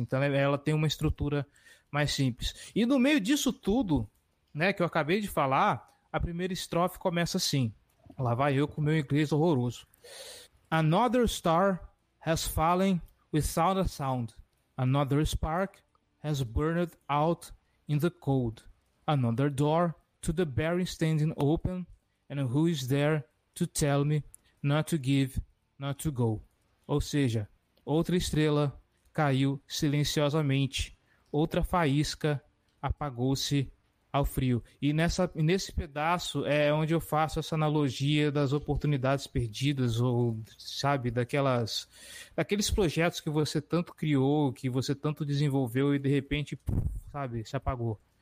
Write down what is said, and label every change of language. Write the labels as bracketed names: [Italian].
[Portuguese] Então ela tem uma estrutura mais simples. E no meio disso tudo, né, que eu acabei de falar. A primeira estrofe começa assim. Lá vai eu com meu inglês horroroso. [English] Another star has fallen without a sound. Another spark has burned out in the cold. Another door to the barren standing open. And who is there to tell me not to give, not to go? [Portuguese] Ou seja, outra estrela caiu silenciosamente. Outra faísca apagou-se. Ao frio. E nesse pedaço é onde eu faço essa analogia das oportunidades perdidas, ou sabe, daqueles projetos que você tanto criou, que você tanto desenvolveu e de repente, sabe, se apagou.